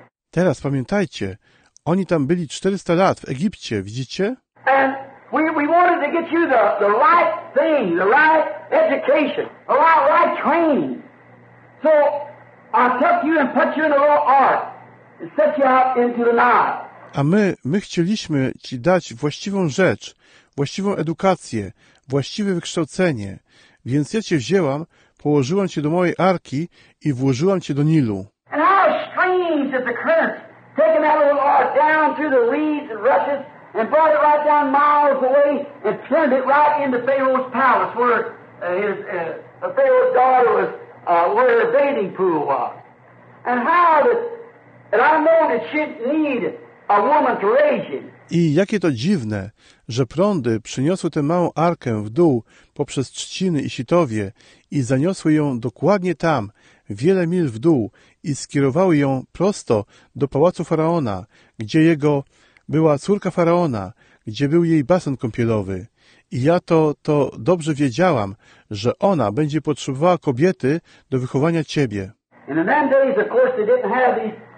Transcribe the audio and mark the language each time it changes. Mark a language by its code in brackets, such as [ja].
[pl] Teraz pamiętajcie, oni tam byli 400 lat w Egipcie, widzicie? [en] We wanted to get you the right thing, the right education, the right training. So I took you and put you in a little ark and set you out into the night. [pl] A my chcieliśmy ci dać właściwą rzecz, właściwą edukację, właściwe wykształcenie. Więc ja cię wzięłam, położyłam cię do mojej arki i włożyłam cię do Nilu. [en] And how strange that the current taking that little ark down through the reeds and rushes and brought it right down miles away and turned it right into Pharaoh's palace where Pharaoh's daughter was, where the bathing pool was. And how that, and I know that she needed a woman to raise him. [pl] I jakie to dziwne, że prądy przyniosły tę małą arkę w dół poprzez trzciny i sitowie i zaniosły ją dokładnie tam, wiele mil w dół i skierowały ją prosto do pałacu Faraona, gdzie jego była córka Faraona, gdzie był jej basen kąpielowy. I ja to dobrze wiedziałam, że ona będzie potrzebowała kobiety do wychowania ciebie. [en] In the man days, of course, they didn't have these...